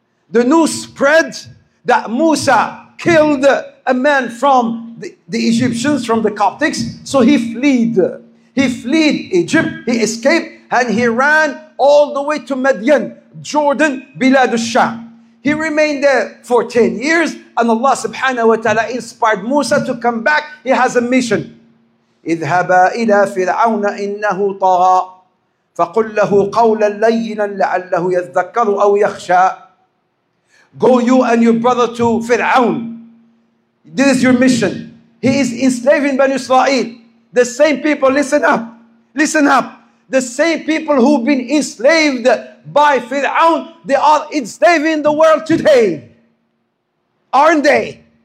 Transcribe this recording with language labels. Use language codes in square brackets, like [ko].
[en] The news spread that Musa killed a man from the Egyptians, from the Coptics. So he fled. He fled Egypt. He escaped and he ran all the way to Madian, Jordan, Bilad al-Sham. He remained there for 10 years and Allah subhanahu wa ta'ala inspired Musa to come back. He has a mission. [ar] اذهبا إلى فرعون إنه طغى فقل له قولا لينا لعله يذكر أو يخشى. [en] Go you and your brother to Fir'aun. This is your mission. He is enslaving Bani Israel. The same people, listen up. Listen up. The same people who've been enslaved by Fir'aun, they are enslaving the world today. Aren't they?